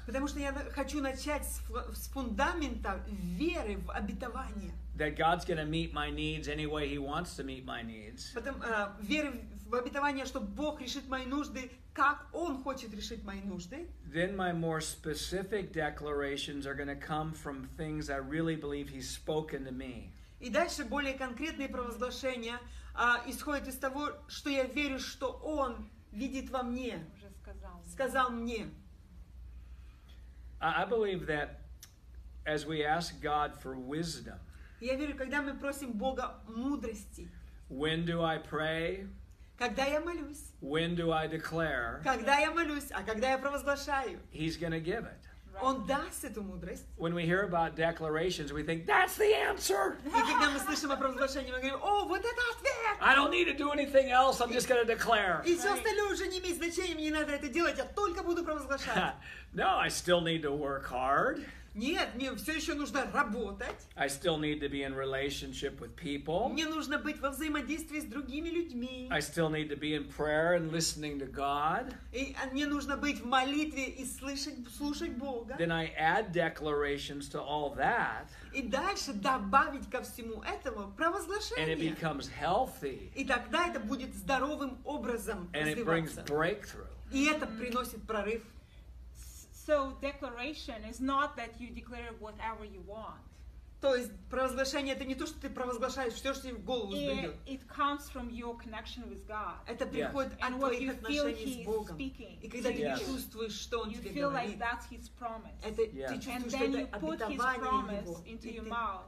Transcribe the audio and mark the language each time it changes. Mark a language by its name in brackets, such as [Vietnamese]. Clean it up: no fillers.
[Russian] Потому что я хочу начать с фундамента веры в обетование. [English] That God's going to meet my needs any way He wants to meet my needs. [Russian] Потом веры в обетование, что Бог решит мои нужды, как Он хочет решить мои нужды. [English] Then my more specific declarations are going to come from things I really believe He's spoken to me. [Russian] И дальше более конкретные провозглашения исходят из того, что я верю, что Он видит во мне. сказал мне. [English] I believe that as we ask God for wisdom. [Russian] Я верю, когда мы просим Бога мудрости. [English] When do I pray? [Russian] Когда я молюсь. [English] When do I declare? [Russian] Когда я молюсь, а когда я провозглашаю. [English] He's going to give it. [Russian] Он даст эту мудрость. [English] When we hear about declarations, we think that's the answer. [Russian] И когда мы слышим о провозглашении, мы говорим: "О, вот это ответ!" [English] I don't need to do anything else. I'm just going to declare. [Russian] И все остальное уже не имеет значения. Мне не надо это делать. Я только буду провозглашать. [English] No, I still need to work hard. [Russian] Нет, мне все еще нужно работать. [English] I still need to be in relationship with people. [Russian] Мне нужно быть во взаимодействии с другими людьми. [English] I still need to be in prayer and listening to God. [Russian] И мне нужно быть в молитве и слушать Бога. [English] Then I add declarations to all that. [Russian] И дальше добавить ко всему этому провозглашение. [English] And it becomes healthy. [Russian] И тогда это будет здоровым образом развиваться. [English] And it brings breakthrough. [Russian] И это приносит прорыв. [English] So declaration is not that you declare whatever you want. [Russian] То есть провозглашение это не то, что ты провозглашаешь все, что тебе в голову придет. [English] It comes from your connection with God. [Russian] Это приходит от твоих отношений с Богом. И когда ты чувствуешь, что Он тебе говорит. [English] You feel like that's His promise. [Russian] Это ты чувствуешь, что это обетование Его. [English] Into your mouth.